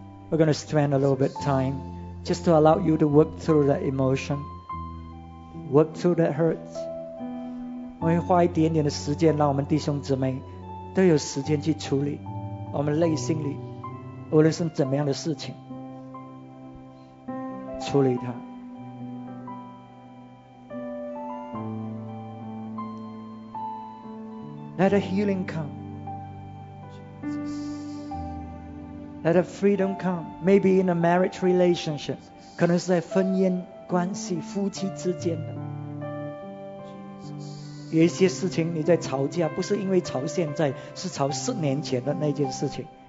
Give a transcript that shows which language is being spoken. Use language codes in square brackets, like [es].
[en] We're going to spend a little bit of time just to allow you to work through that emotion, work through that hurt. [zh] 我会花一点点的时间，让我们弟兄姊妹都有时间去处理我们内心里，无论是怎么样的事情，处理它。 [en] Let a healing come. Let a freedom come. Maybe in a marriage relationship. [zh] 可能是在婚姻关系，夫妻之间的。有一些事情你在吵架，不是因为吵现在，是吵10年前的那件事情。